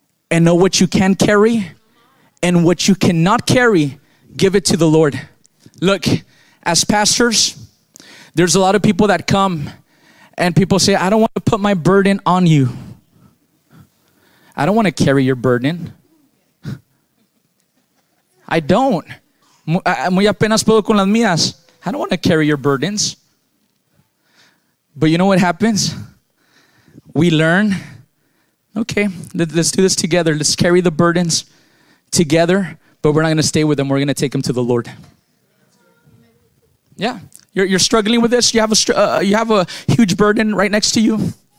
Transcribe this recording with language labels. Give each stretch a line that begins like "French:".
English: And know what you can carry. And what you cannot carry, give it to the Lord. Look, as pastors, there's a lot of people that come. And people say, I don't want to put my burden on you. I don't want to carry your burden. I don't.
Spanish: Muy apenas puedo con las mías.
English: I don't want to carry your burdens. But you know what happens? We learn. Okay, let's do this together. Let's carry the burdens together. But we're not going to stay with them. We're going to take them to the Lord. Yeah. You're struggling with this. You have a huge burden right next to you.